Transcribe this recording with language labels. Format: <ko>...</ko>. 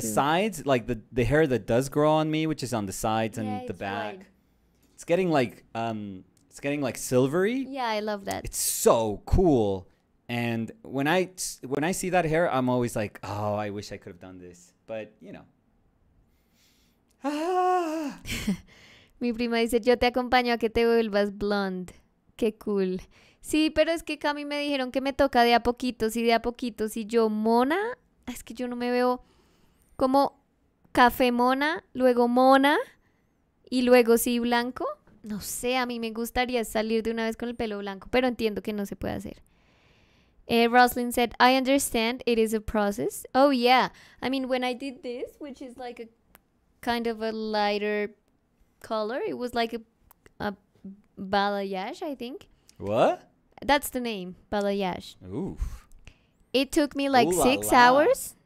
<en>The sides, like, the hair that does grow on me, which is on the sides and the back. White. It's getting, like, silvery. Yeah, I love that. It's so cool. And when I see that hair, I'm always like, oh, I wish I could have done this. But, you know. Ah!</en> <es>Mi prima dice, yo te acompaño a que te vuelvas blonde. Qué cool. Sí, pero es que Cami me dijeron que me toca de a poquitos y de a poquitos. Y yo, mona, es que yo no me veo como café mona, luego mona y luego sí blanco. No sé, a mí me gustaría salir de una vez con el pelo blanco, pero entiendo que no se puede hacer.</es> <en>Roslyn said, I understand it is a process. Oh, yeah. I mean, when I did this, which is like a kind of a lighter color, it was like a balayage, I think. What? That's the name, balayage. Oof. It took me like Ooh 6 la la. Hours.</en>